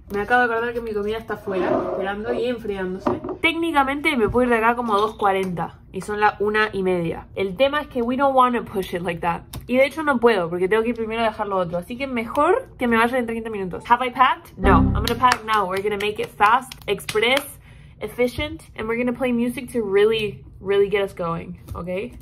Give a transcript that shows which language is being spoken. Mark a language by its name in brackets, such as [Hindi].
[Spanish] Me acabo de acordar que mi comida está afuera, esperando y enfriándose. Técnicamente me puedo ir de acá como a 2:40 y son la 1:30. El tema es que [English] we don't want to push it like that. [Spanish] Y de hecho no puedo porque tengo que ir primero a dejar lo otro. Así que mejor que me vaya en 30 minutos. [English] Have I packed? No. I'm gonna pack now. We're gonna make it fast, express, efficient, and we're gonna play music to really, really get us going, okay?